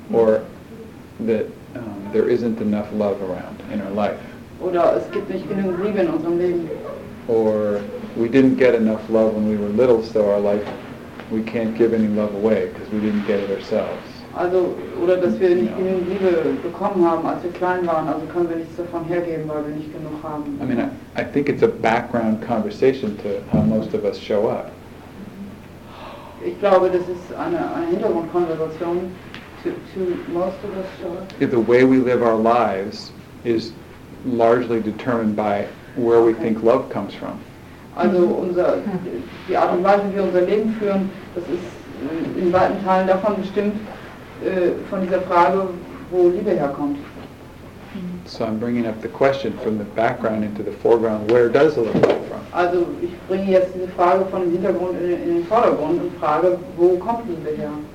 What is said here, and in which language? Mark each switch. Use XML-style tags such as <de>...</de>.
<en>Or that there isn't enough love around in our life.</en> <de>Oder es gibt nicht genug Liebe in unserem Leben.</de> <en>Or we didn't get enough love when we were little, so our life, we can't give any love away because we didn't get it ourselves.</en> <de>Also, oder dass wir nicht genug Liebe bekommen haben, als wir klein waren, also können wir nichts davon hergeben, weil wir nicht genug haben.</de> <en>I mean, I think it's a background conversation to how most of us show up.</en> <de>Ich glaube, das ist eine Hintergrundkonversation</de> <en>to most of us show up. The way we live our lives is largely determined by where we think love comes from.</en> <de>Also unser, die Art und Weise, wie wir unser Leben führen, das ist in weiten Teilen davon bestimmt, von dieser Frage, wo Liebe herkommt.</de> <en>So I'm bringing up the question from the background into the foreground, where does love come from?</en> <de>Also ich bringe jetzt diese Frage von dem Hintergrund in den Vordergrund und frage, wo kommt Liebe her?</de>